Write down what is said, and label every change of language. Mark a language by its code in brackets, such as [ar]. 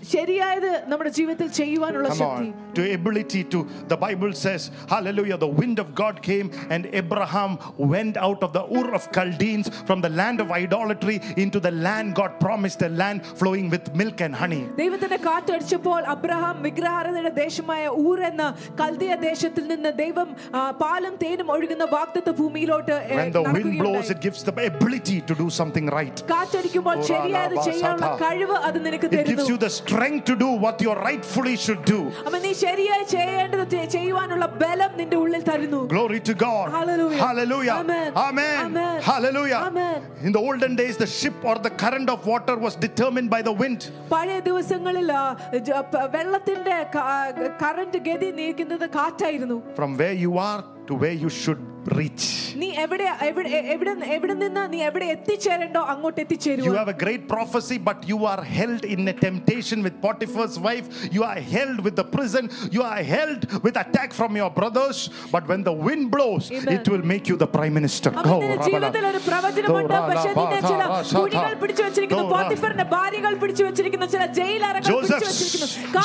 [ml] ശരിയായത് നമ്മുടെ ജീവിതത്തിൽ ചെയ്യുവാനുള്ള ശക്തി. [en] To ability to the Bible says, hallelujah, the wind of God came and Abraham went out of the Ur of Chaldeans from the land of idolatry into the land God promised, a land flowing with milk and honey. [ml] ദൈവത്തിന്റെ കാറ്റ് അടിച്ചപ്പോൾ Abraham വിഗ്രഹാരാധനയുടെ ദേശമായ ഊർ എന്ന കൽദയ ദേശത്തിൽ നിന്ന് ദൈവം പാലും തേനും ഒഴുകുന്ന വാഗ്ദത്ത ഭൂമിയിലോട്ട് നടക്കുക. [en] When the wind blows, it gives the ability to do something right. [ml] കാറ്റ് അടിക്കുമ്പോൾ ശരിയായത് ചെയ്യാനുള്ള കഴിവ് അത് നിനക്ക് തരുന്നു. [en] Strength to do what you rightfully should do. [ml] അമനി ശരിയായി ചെയ്യേണ്ടത് ചെയ്യുവാനുള്ള ബലം നിന്റെ ഉള്ളിൽ തരുന്നു. [en] Glory to God. Hallelujah. Hallelujah. Amen. Amen. Hallelujah. Amen. In the olden days, the ship or the current of water was determined by the wind. [ml] പഴയ ദിവസങ്ങളിൽ വെള്ളത്തിന്റെ കറന്റ് ഗതി നീക്കുന്നത് കാറ്റായിരുന്നു. [en] From where you are to where you should reach. [ml] നീ എവിടെ എവിടെ എവിടെ നിന്ന് നീ എവിടെ എത്തിച്ചേരണ്ടോ അങ്ങോട്ട് എത്തിച്ചേരുക. [en] You have a great prophecy, but you are held in a temptation with Potiphar's wife. You are held with the prison. You are held with attack from your brothers. But when the wind blows, Amen. It will make you the prime minister. [ml] Go. ജീവിതത്തിൽ ഒരു പ്രവചനം ഉണ്ട്. പക്ഷേ നിന്നെ ചില കുടികൾ പിടിച്ചു വെച്ചിരിക്കുന്നു. പോട്ടിഫറിന്റെ ഭാര്യകൾ പിടിച്ചു വെച്ചിരിക്കുന്നു. ചില ജയിലറകൾ പിടിച്ചു വെച്ചിരിക്കുന്നു.